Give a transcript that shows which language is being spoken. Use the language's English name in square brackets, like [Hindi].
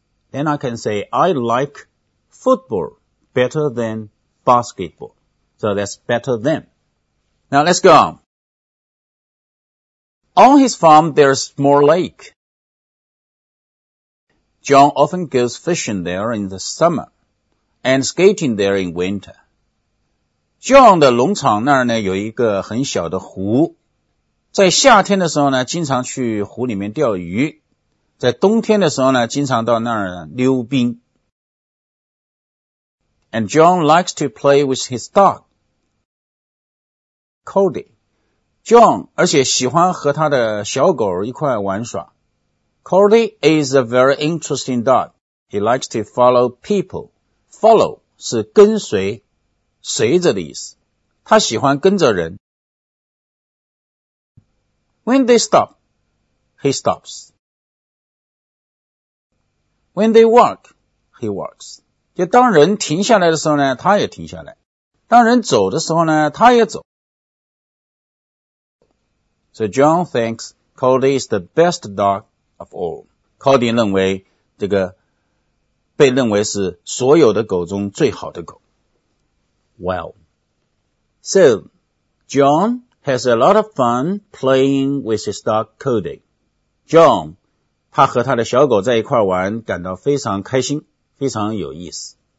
[English] Then I can say I like football better than basketball. So that's better than. Now let's go on. On his farm, there's more lake. John often goes fishing there in the summer and skating there in winter. [Chinese] John 的农场那儿呢有一个很小的湖，在夏天的时候呢经常去湖里面钓鱼，在冬天的时候呢经常到那儿溜冰。 [English] And John likes to play with his dog, Cody. [Chinese] John 而且喜欢和他的小狗一块玩耍。 [English] Cody is a very interesting dog. He likes to follow people. [Chinese] Follow 是跟随、随着的意思。他喜欢跟着人。 [English] When they stop, he stops. When they walk, he walks. [Chinese] 就当人停下来的时候呢，他也停下来。当人走的时候呢，他也走。 [English] So John thinks Cody is the best dog. Of all, [Chinese] Cody 认为这个被认为是所有的狗中最好的狗。 [English] Well, so John has a lot of fun playing with his dog Cody. [Chinese] John, 他和他的小狗在一块玩，感到非常开心，非常有意思。